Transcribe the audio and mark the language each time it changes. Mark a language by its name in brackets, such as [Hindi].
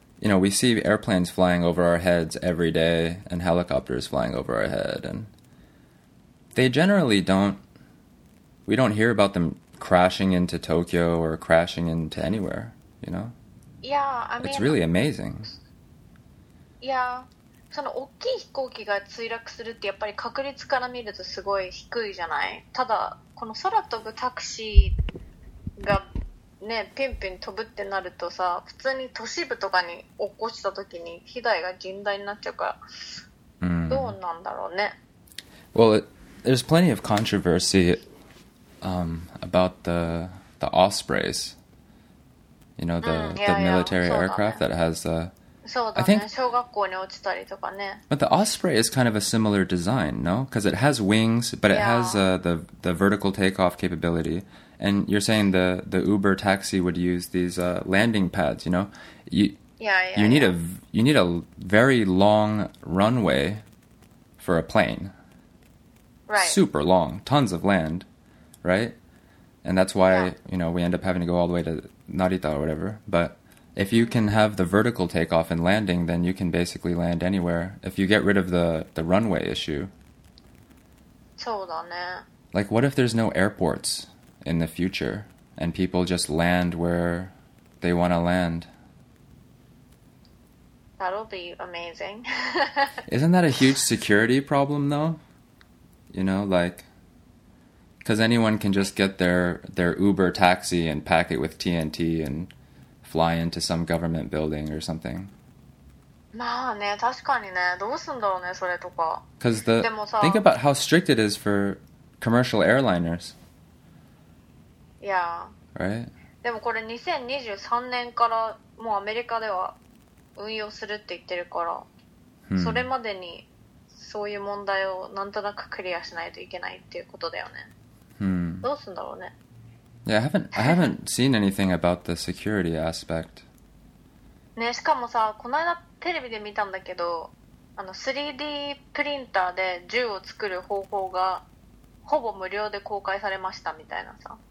[English] You know, we see airplanes flying over our heads every day and helicopters flying over our head. And they generally don't, we don't hear about them crashing into Tokyo or crashing into anywhere, you know? Yeah, I mean... It's really amazing. Yeah. [Japanese] その大きい飛行機が墜落するってやっぱり確率から見るとすごい低いじゃない。ただ、この空飛ぶタクシーが、ね、ピンピン飛ぶってなるとさ、普通に都市部とかに起こした時に被害が甚大になっちゃうから、どうなんだろうね。 [English] Well, there's plenty of controversy about the Ospreys. You know, the military aircraft that has the... [Japanese] そうだね、 [English] I think, [Japanese] 小学校に落ちたりとかね。 [English] But the Osprey is kind of a similar design, no? Because it has wings, but it has the vertical takeoff capability... And you're saying the Uber taxi would use these landing pads, you know? You need a very long runway for a plane. Right. Super long. Tons of land. Right? And that's why, you know, we end up having to go all the way to Narita or whatever. But if you can have the vertical takeoff and landing, then you can basically land anywhere. If you get rid of the runway issue. [Japanese] そうだね。 [English] Like, what if there's no airports? In the future, and people just land where they want to land. That'll be amazing. Isn't that a huge security problem, though? You know, like, because anyone can just get their Uber taxi and pack it with TNT and fly into some government building or something. [Japanese] まあね、確かにね、どうすんだろうね、それとか。 [English] Because the think about how strict it is for commercial airliners. [Japanese] いや、 [English] right? [Japanese] でもこれ2023年からもうアメリカでは運用するって言ってるから、それまでにそういう問題をなんとなくクリアしないといけないっていうことだよね。どうすんだろうね。 [English] Yeah, I haven't seen anything about the security aspect. [Japanese] ね、しかもさ、この間テレビで見たんだけど、あの 3D プリンターで銃を作る方法がほぼ無料で公開されましたみたいなさ。